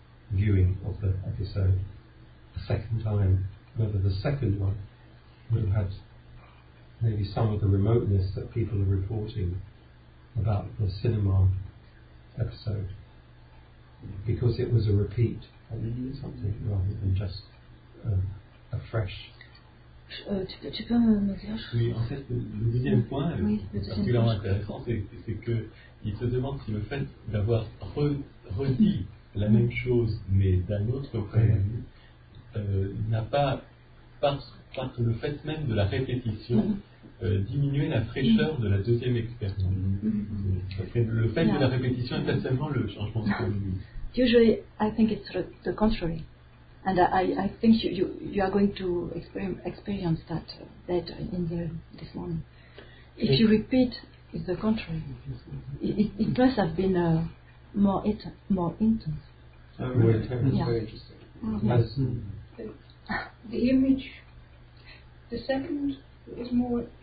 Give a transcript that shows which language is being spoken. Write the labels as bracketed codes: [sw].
[en] viewing of the episode a second time, whether the second one would have had maybe some of the remoteness that people are reporting about the cinema episode, because it was a repeat of something rather than just a fresh. [fr] Tu peux me dire. Oui, en fait, le deuxième point, oui, c'est intéressant, c'est que il se demande si le fait d'avoir redit la même chose mais d'un autre point de vue n'a pas, par le fait même de la répétition, diminué la fraîcheur de la deuxième expérience. Le fait de la répétition est pas seulement le changement de point de vue. [en] Usually, I think it's the contrary. And I think you are going to experience that later in this morning. if you repeat, it's the contrary. It must have been more intense. The image, the second is more.